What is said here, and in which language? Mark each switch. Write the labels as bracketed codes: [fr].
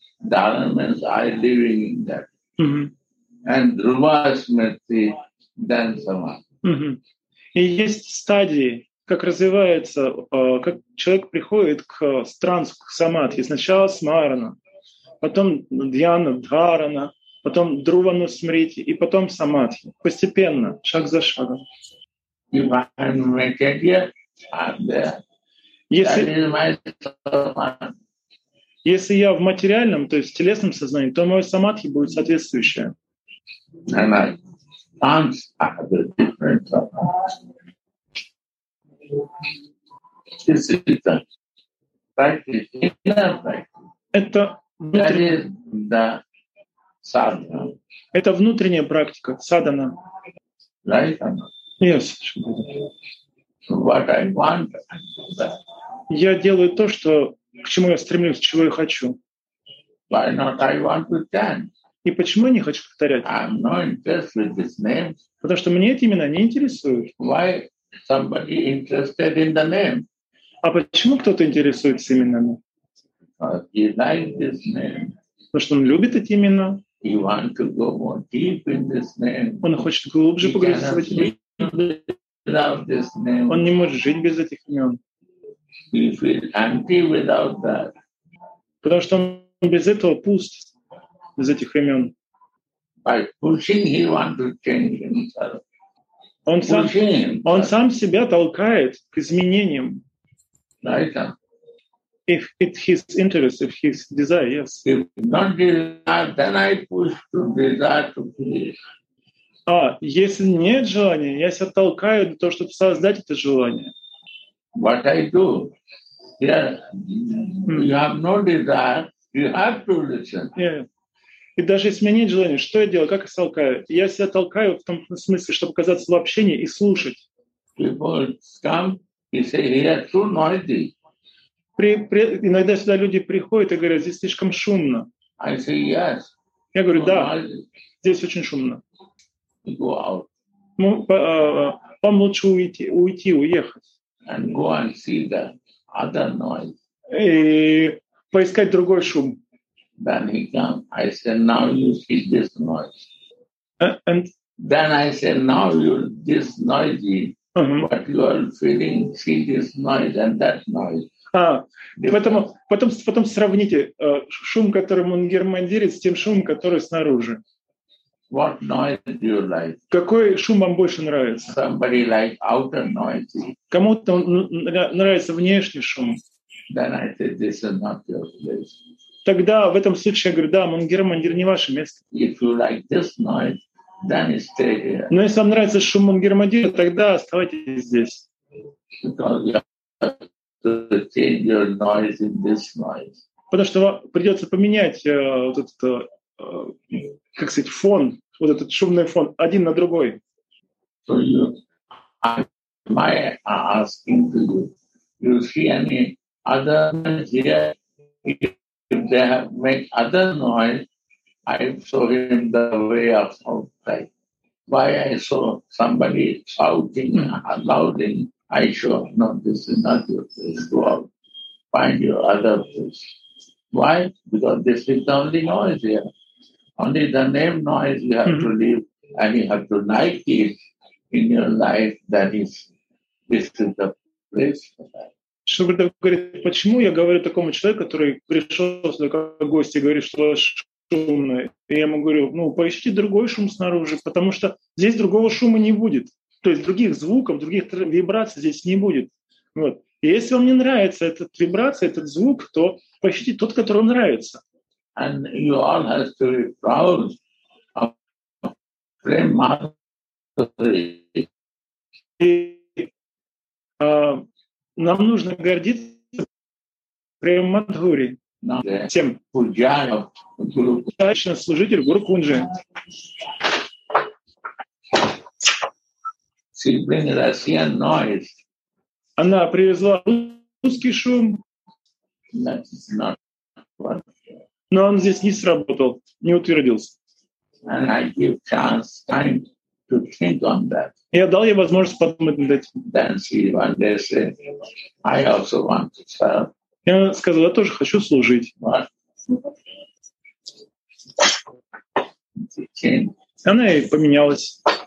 [en] Dharan means I living in that. And Dhruva Smriti, then Samadhi. [ru] И есть стадии, как развивается, как человек приходит к трансу, к самадхи. Сначала смарана, потом дьяна, дхарана, потом Друвану Смрити, и потом самадхи. Постепенно, шаг за шагом. [en] If I make it here, I'm there. That is my samadhi. [ru] Если я в материальном, то есть в телесном сознании, то мое самадхи будет соответствующее. Это это внутренняя практика, садхана. [en] Yes. What I want. [ru] Я делаю то, что к чему я стремлюсь, чего я хочу. [en] Why not I want to chant? [ru] И почему я не хочу повторять? [en] I'm not interested in this name. [ru] Потому что мне эти имена не интересуют. [en] Why somebody interested in the name? [ru] А почему кто-то интересуется именами? [en] He likes this name. [ru] Потому что он любит эти имена. [en] He want to go more deep in this name. [ru] Он хочет глубже погрузиться в эти имена. Он не может жить без этих имен. [en] He feel empty without that. [ru] Потому что он без этого пуст, без этих имен. [en] By pushing, he want to change himself. [ru] Он сам, [en] pushing himself. [ru] Он сам себя толкает к изменениям. [en] Right. If it's his interest, if his desire, yes. If not desire, then I push to desire to please. [ru] Если нет желания, я себя толкаю на то, чтобы создать это желание. [en] What I do? Yeah. You have no desire, you have to listen. [ru] Yeah. И даже если у меня нет желания, что я делаю, как я толкаю? Я себя толкаю в том смысле, чтобы оказаться в общении и слушать. [en] People come. He said, "Here too noisy." [ru] При иногда сюда люди приходят и говорят, здесь слишком шумно. [en] I say yes. [ru] Я говорю, да. Noisy. Здесь очень шумно. [en] Go out. [ru] Ну, вам лучше уйти, уехать. [en] And go and see the other noise. [ru] И поискать другой шум. [en] Then he come. I said, "Now you see this noise." And then I said, "Now you this noisy." Uh-huh. But you are feeling, see this noise and that noise. [ru] А, потом сравните шум, которым он германдирит, с тем шумом, который снаружи. [en] What noise do you like? [ru] Какой шум вам больше нравится? [en] Somebody like outer noise. [ru] Кому-то нравится внешний шум. [en] Then I say, this is not your place. [ru] Тогда в этом случае я говорю, да, мунгермандир не ваше место. [en] If you like this noise, then stay here. [ru] Но если вам нравится шум Мангермадира, тогда оставайтесь здесь. [en] Because you have to change your noise in this noise. [ru] Потому что вам придется поменять вот этот, как сказать, фон, вот этот шумный фон, один на другой. [en] So you, am I asking to you, you see any other noise here? If they have made other noise, I show him the way of outside. Why I saw somebody shouting loud in, I show, no, this is not your place. Go out. Find your other place. Why? Because this is the only noise here. Only the name noise you have to leave, and you have to like it in your life. That is, this is the place for that. [ru] Шубрид говорит, почему я говорю такому человеку, который пришел сюда как гость и говорит, что шумное. И я ему говорю, ну, поищите другой шум снаружи, потому что здесь другого шума не будет. То есть других звуков, других вибраций здесь не будет. Вот. И если вам не нравится эта вибрация, этот звук, то поищите тот, который вам нравится. [en] And you all have to be proud of Premadri. [ru] И нам нужно гордиться Премадхури. Всем. Удачно, служитель Гуру Кунджи. [en] She bring Russian noise. [ru] Она привезла русский шум. [en] That's not what... [ru] Но он здесь не сработал, не утвердился. [en] And I give chance, time to think on that. [ru] Я дал ей возможность подумать над этим. [en] Then she one day said, I also want to serve. [ru] Я сказал, я тоже хочу служить. Она и поменялась.